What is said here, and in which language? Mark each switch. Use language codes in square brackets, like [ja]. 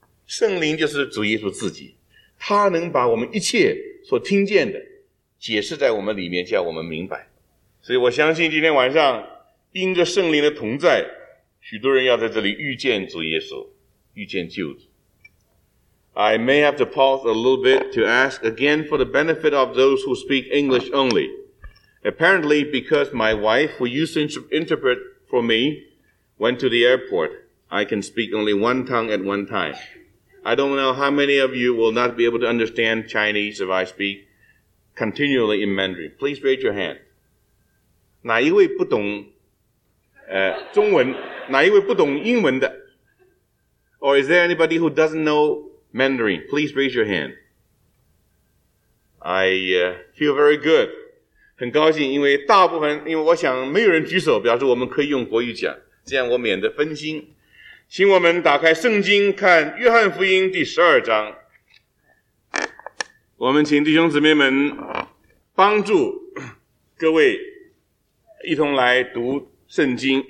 [zh] 圣灵就是主耶稣自己，他能把我们一切所听见的解释在我们里面，叫我们明白。所以我相信今天晚上因着圣灵的同在，许多人要在这里遇见主耶稣，遇见救主。 [en] I may have to pause a little bit to ask again for the benefit of those who speak English onlyApparently, because my wife, who used to interpret for me, went to the airport, I can speak only one tongue at one time. I don't know how many of you will not be able to understand Chinese if I speak continually in Mandarin. Please raise your hand. [zh] 哪一位不懂中文？哪一位不懂英文的？ [en] Or is there anybody who doesn't know Mandarin? Please raise your hand. I feel very good. [zh] 很高兴，因为大部分，因为我想没有人举手，表示我们可以用国语讲，这样我免得分心。请我们打开圣经，看约翰福音第十二章。我们请弟兄姊妹们帮助各位一同来读圣经。